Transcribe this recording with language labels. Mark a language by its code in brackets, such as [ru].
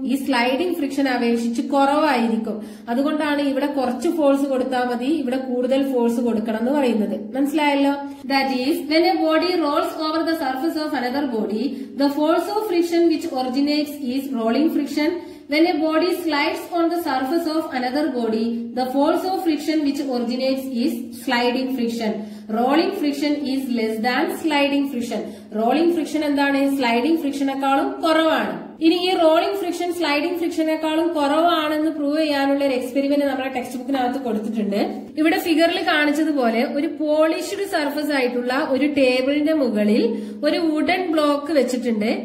[ml] ഈ sliding friction അപേക്ഷിച്ച് കുറവായിരിക്കും. അതുകൊണ്ടാണ് ഇവിടെ കുറച്ച് ഫോഴ്സ് കൊടുത്താൽ മതി, ഇവിടെ കൂടുതൽ ഫോഴ്സ് കൊടുക്കണം എന്ന് പറയുന്നത്. മനസ്സിലായല്ലോ. [en] That is when a body rolls over the surface of another body the force of friction which originates is rolling friction. When a body slides on the surface of another body, the force of friction which originates is sliding friction. rolling friction is less than sliding friction. Rolling friction [ml] എന്താണ്? Sliding friction നേക്കാളും കുറവാണ്. ഇനി ഈ rolling friction sliding friction നേക്കാളും കുറവാണെന്ന് prove ചെയ്യാനുള്ള ഒരു experiment നമ്മുടെ text ബുക്കിനകത്ത് കൊടുത്തിട്ടുണ്ട്. ഇവിടെ ഫിഗറിൽ കാണിച്ചതുപോലെ ഒരു പോളിഷ്ഡ് സർഫസ് ആയിട്ടുള്ള ഒരു ടേബിളിന്റെ മുകളിൽ ഒരു വുഡൻ ബ്ലോക്ക് വെച്ചിട്ടുണ്ട്.